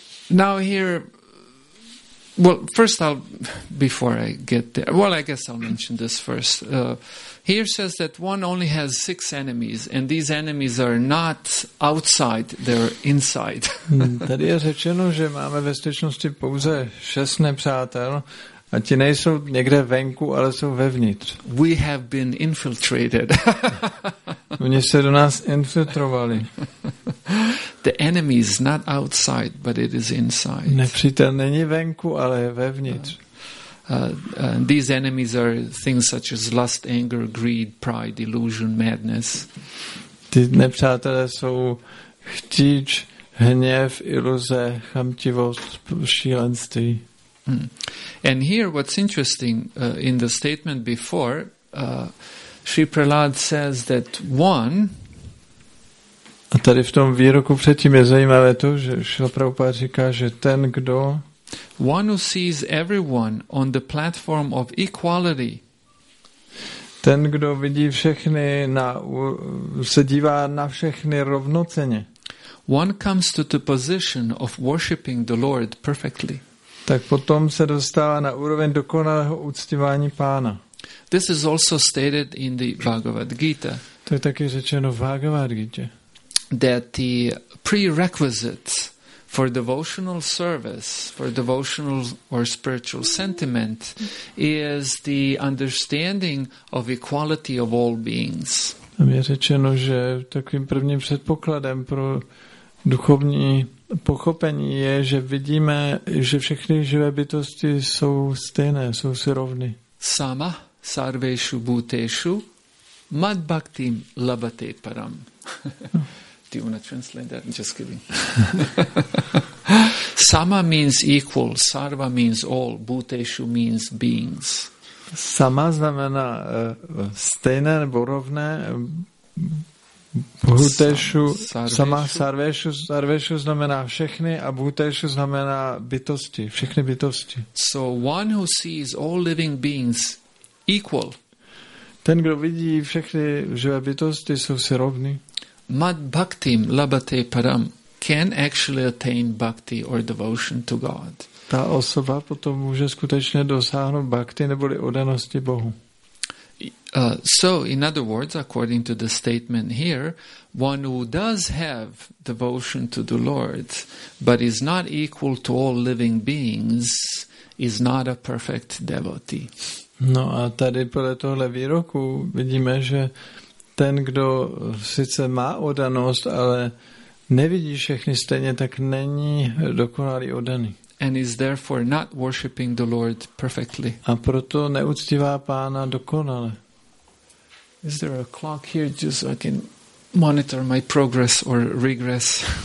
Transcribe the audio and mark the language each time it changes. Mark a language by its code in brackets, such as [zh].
[en] Now here, well, first I'll, before I get there, well, I guess I'll mention this first. Here says that one only has six enemies, and these enemies are not outside, they're inside. [cs] Tady je řečeno, že máme ve skutečnosti pouze šest nepřátel, a ti nejsou někde venku, ale jsou vevnitř. [en] We have been infiltrated. [cs] Oni se do nás infiltrovali. [en] The enemy is not outside, but it is inside. [cs] Nepřítel není venku, ale je vevnitř. [en] These enemies are things such as lust, anger, greed, pride, illusion, madness. [cs] Ty nepřátelé jsou chtíč, hněv, iluze, chamtivost, šílenství. [en] And here what's interesting in the statement before, Sri Prahlad says that one. [cs] A tady v tom výroku předtím je zajímavé to, že Šrila Prabhupada říká, že ten, kdo [en] one who sees everyone on the platform of equality. [cs] Ten, kdo vidí všechny na, se dívá na všechny rovnoceně. [en] One comes to the position of worshipping the Lord perfectly. [cs] Tak potom se dostává na úroveň dokonalého uctívání pána. [en] This is also stated in the Bhagavad Gita. [cs] To je taky řečeno v Bhagavad Gita. [en] That the prerequisite for devotional service, for devotional or spiritual sentiment, is the understanding of equality of all beings. [cs] Tam je řečeno, že takovým prvním předpokladem pro duchovní pochopení je, že vidíme, že všechny živé bytosti jsou stejné, jsou si rovny. [sa] Sama sarveshu bhuteshu mad bhaktim labhate param. [en] Do you want to translate that? I'm just kidding. Sama means equal, sarva means all, bhuteshu means beings. [cs] sama znamená stejné nebo rovné bhuteshu, sarveshu znamená všechny a bhuteshu znamená bytosti, všechny bytosti. [en] So one who sees all living beings equal. [cs] Ten, kdo vidí všechny živé bytosti, jsou si rovní. [sa] Mad bhaktim labate param [en] can actually attain bhakti or devotion to God. [cs] Ta osoba potom může skutečně dosáhnout bhakti neboli oddanosti Bohu. [en] So in other words, according to the statement here, one who does have devotion to the Lord but is not equal to all living beings is not a perfect devotee. [cs] No a tady podle tohle výroku vidíme, že ten, kdo sice má oddanost, ale nevidí všechny stejně, tak není dokonalý oddaný. [en] And is therefore not worshiping the Lord perfectly. [cs] A proto neuctívá Pána dokonale. [en] Is there a clock here just so I can monitor my progress or regress?